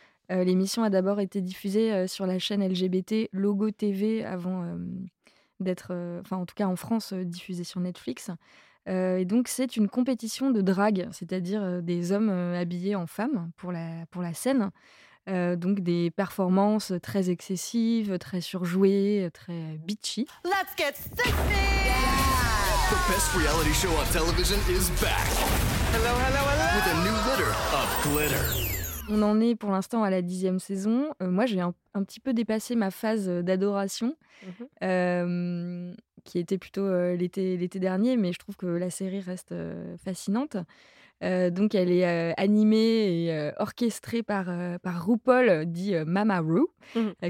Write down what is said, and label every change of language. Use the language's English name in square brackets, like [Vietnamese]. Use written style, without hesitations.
[French] L'émission a d'abord été diffusée sur la chaîne LGBT Logo TV avant d'être, en tout cas en France, diffusée sur Netflix. Et donc, c'est une compétition de drag, c'est-à-dire des hommes habillés en femmes pour la scène. Donc, des performances très excessives, très surjouées, très bitchy. [English] Let's get sexy! Yeah! The best reality show on television is back. Hello, hello, hello! With a new litter of glitter. [French] On en est pour l'instant à la 10e saison. Moi, j'ai un petit peu dépassé ma phase d'adoration. Mm-hmm. Qui était plutôt l'été dernier, mais je trouve que la série reste fascinante. Donc, elle est animée et orchestrée par RuPaul, dit Mama Ru, mm-hmm.